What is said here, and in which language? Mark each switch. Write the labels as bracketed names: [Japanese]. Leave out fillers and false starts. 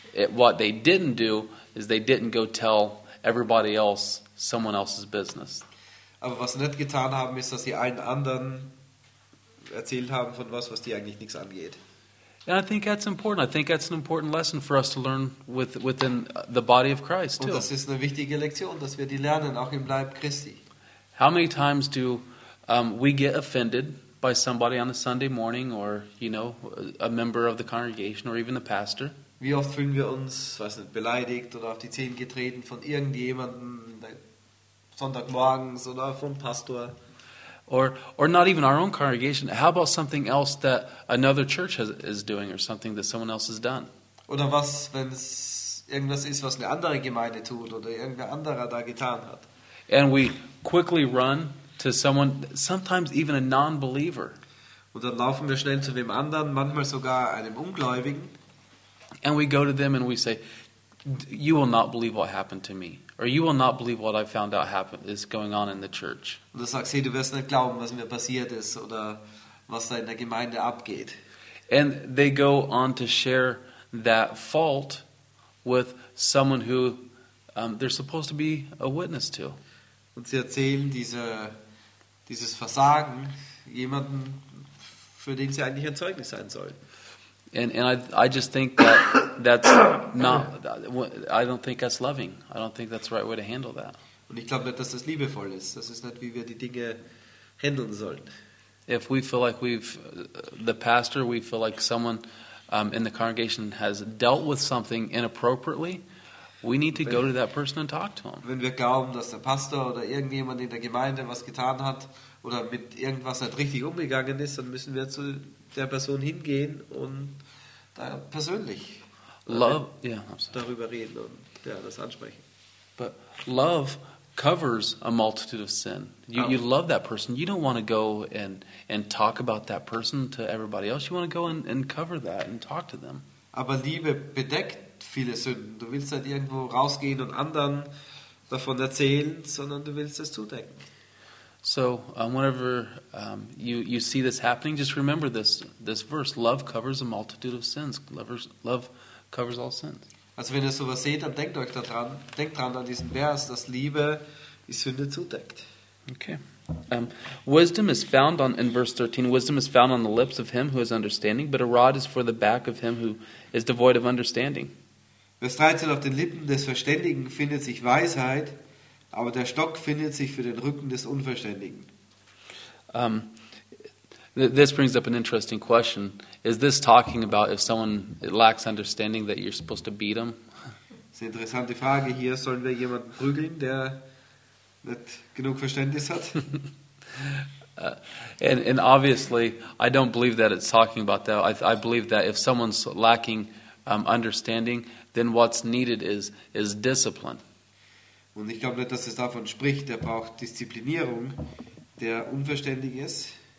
[English] What they didn't do is they didn't go tell everybody else someone else's business. [German] Aber was sie nicht getan haben, ist, dass sie allen anderen erzählt haben von was die eigentlich nichts angeht. [English] And I think that's important. I think that's an important lesson for us to learn within the body of Christ too. [German] Und das ist eine wichtige Lektion, dass wir die lernen auch im Leib Christi. [English] How many times do we get offended by somebody on a Sunday morning, or you know, a member of the congregation, or even the pastor? [German] Wie oft fühlen wir uns, weiß nicht, beleidigt oder auf die Zehen getreten von irgendjemandem Sonntagmorgens oder vom Pastor? [English] Or not even our own congregation. How about something else that another church is doing, or something that someone else has done? [German] Oder was, wenn es irgendwas ist, was eine andere Gemeinde tut oder irgendein anderer da getan hat? [English] And we quickly run to someone, sometimes even a non-believer. [German] Und dann laufen wir schnell zu wem anderen, manchmal sogar einem Ungläubigen. [English] And we go to them and we say, "You will not believe what happened to me, or you will not believe what I found out happened is going on in the church." [German] Und dann sagst du, hey, du wirst nicht glauben, was mir passiert ist oder was da in der Gemeinde abgeht. [English] And they go on to share that fault with someone who they're supposed to be a witness to. [German] Und sie erzählen dieses Versagen jemanden, für den sie eigentlich ein Zeugnis sein sollen. [English] And I just think that that's not, I don't think that's loving. I don't think that's the right way to handle that. [German] Und ich glaube nicht, dass das liebevoll ist. Das ist nicht, wie wir die Dinge handeln sollen. [English] If we feel like we feel like someone in the congregation has dealt with something inappropriately, we need to go to that person and talk to him. [German] Wenn wir glauben, dass der Pastor oder irgendjemand in der Gemeinde was getan hat oder mit irgendwas nicht richtig umgegangen ist, dann müssen wir zu der Person hingehen und da persönlich darüber reden und das ansprechen. [English] But love covers a multitude of sin. You love that person. You don't want to go and talk about that person to everybody else. You want to go and cover that and talk to them. [German] Aber Liebe bedeckt viele Sünden. Du willst nicht irgendwo rausgehen und anderen davon erzählen, sondern du willst es zudecken. [English] So, whenever you see this happening, just remember this verse: love covers a multitude of sins. Love covers all sins. [German] Also, wenn ihr sowas seht, dann denkt euch daran, denkt dran an diesen Vers, dass Liebe die Sünde zudeckt. [English] Okay. Wisdom is found on in verse 13. Wisdom is found on the lips of him who has understanding, but a rod is for the back of him who is devoid of understanding. [German] Vers 13, auf den Lippen des Verständigen findet sich Weisheit, aber der Stock findet sich für den Rücken des Unverständigen. [English] This brings up an interesting question. Is this talking about if someone lacks understanding that you're supposed to beat them? [German] Das ist eine interessante Frage hier. Sollen wir jemanden prügeln, der nicht genug Verständnis hat? [English] And obviously, I don't believe that it's talking about that. I believe that if someone's lacking understanding, then what's needed is discipline. [German] Und ich glaube nicht, dass es davon spricht, der braucht Disziplinierung, der unverständig ist.